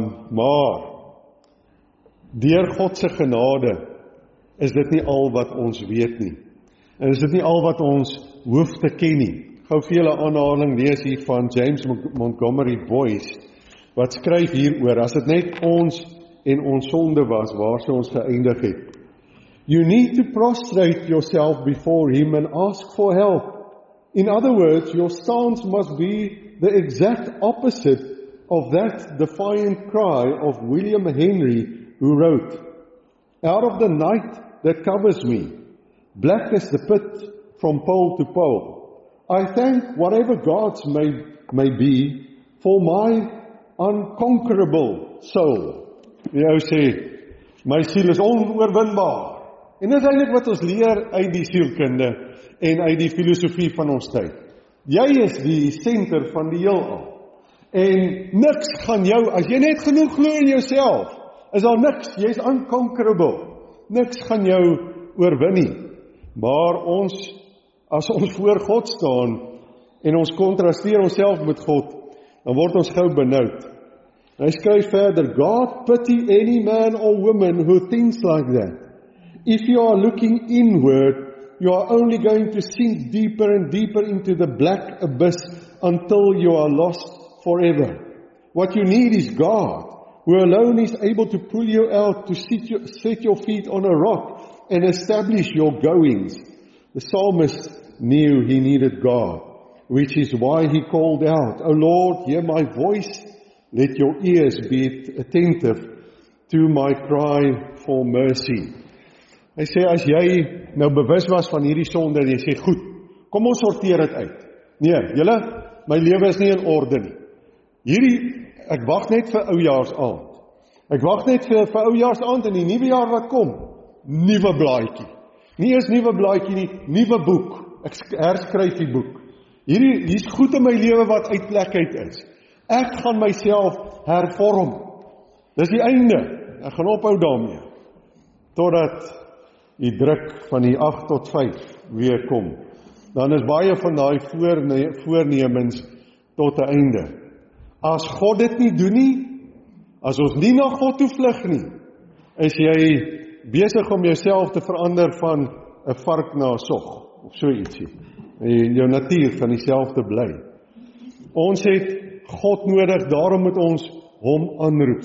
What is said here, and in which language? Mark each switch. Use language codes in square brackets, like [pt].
[af] Maar, deur Godse genade, is dit nie al wat ons weet nie, en is dit nie al wat ons hoef te ken nie. Gou vir julle aanhaling lees hier van James Montgomery Boyce, wat skryf hier oor, as het net ons en ons sonde was, waar sy ons geëindig het. [en] You need to prostrate yourself before him and ask for help. In other words, your stance must be the exact opposite of that defiant cry of William Henry, who wrote, out of the night that covers me, black as the pit from pole to pole, I thank whatever gods may be for my unconquerable soul. [af] Die ou sê, my siel is onoorwinbaar. En dit is eintlik wat ons leer uit die sielkunde en uit die filosofie van ons tyd. Jy is die senter van die heelal. En niks gaan jou, as jy net genoeg glo in jouself, is daar niks, jy is unconquerable. Niks gaan jou oorwin nie. Maar ons, as ons voor God staan en ons kontrasteer onsself met God, dan word ons gauw benoud. Hy skryf verder, [en] God pity any man or woman who thinks like that. If you are looking inward, you are only going to sink deeper and deeper into the black abyss until you are lost forever. What you need is God, who alone is able to pull you out, to set your feet on a rock and establish your goings. The psalmist knew he needed God, which is why he called out, O Lord, hear my voice. Let your ears be attentive to my cry for mercy. [af] Hy sê, as jy nou bewus was van hierdie sonde, en jy sê, goed, kom ons sorteer het uit. Nee, julle, my lewe is nie in orde nie. Hierdie, ek wacht net vir oujaarsaand. Ek wacht net vir oujaarsaand en die nuwe jaar wat kom. Nuwe blaadjie. Nie eens nuwe blaadjie nie, nuwe boek. Ek herskryf die boek. Hier is goed in my lewe wat uitplekheid is. Ek gaan myself hervorm. Dis die einde. Ek gaan ophou daarmee. Totdat die druk van die 8 tot 5 weer kom. Dan is baie van die voornemens tot die einde. As God dit nie doen nie, as ons nie na God toe vlug nie, is jy besig om jouself te verander van 'n vark na 'n sog, of so ietsie. En jou natuur van dieselfde bly. Ons het God nodig, daarom moet ons hom aanroep.